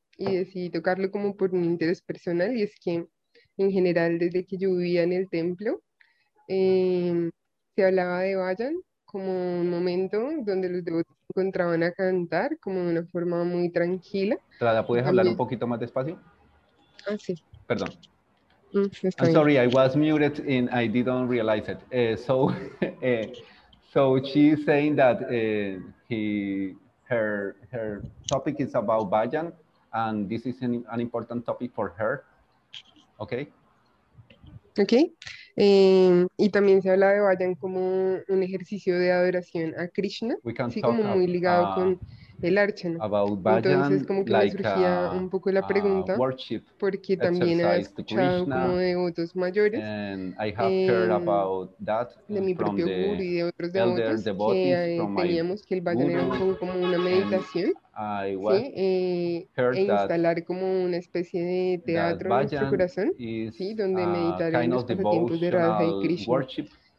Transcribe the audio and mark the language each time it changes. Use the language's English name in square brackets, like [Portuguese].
[Spanish] Y decidí tocarlo como por un interés personal, y es que en general desde que yo vivía en el templo, se hablaba de Vayan como un momento donde los devotos se encontraban a cantar como de una forma muy tranquila. Trada, ¿puedes hablar un poquito más despacio? Ah, sí. Perdón. [English] I'm sorry, I was muted and I didn't realize it. So she's saying that her topic is about Vayan. And this is an important topic for her, okay? [Spanish] Okay, y también se habla de Vayan como un ejercicio de adoración a Krishna, [English] we can [Spanish] sí, como muy ligado con el archana. Entonces, como que like, me surgía un poco la pregunta, porque también he escuchado como de otros mayores, de mi propio guru y de otros devotos, que teníamos que el bhajana era como una meditación, e instalar como una especie de teatro en nuestro corazón, donde meditaremos por tiempos de Radha y Krishna. Worship.